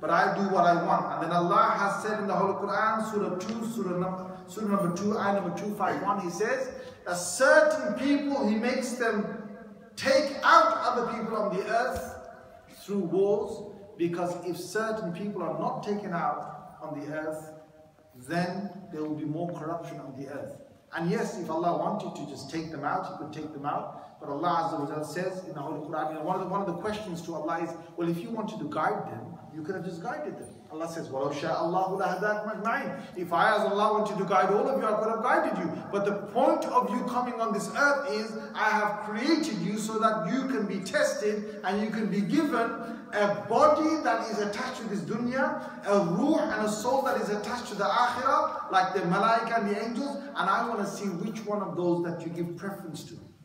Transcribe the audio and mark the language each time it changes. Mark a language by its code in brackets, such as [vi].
[en] But I do what I want. And then Allah has said in the Holy Quran, Surah number 2, Ayah number 251, He says, a certain people, He makes them take out other people on the earth through wars, because if certain people are not taken out on the earth, then there will be more corruption on the earth. And yes, if Allah wanted to just take them out, He could take them out. But Allah Azza wa Jalla says in the Holy Quran, you know, one of the questions to Allah is, well, if you wanted to guide them, you could have just guided them. Allah says, [ar] وَلَوْ شَاءَ اللَّهُ لَهَدَاكُمْ أَجْمَعِينَ. [en] If I, as Allah, wanted to guide all of you, I could have guided you. But the point of you coming on this earth is, I have created you so that you can be tested and you can be given a body that is attached to this dunya, a ruh and a soul that is attached to the akhirah, like the malaika and the angels, and I want to see which one of those that you give preference to.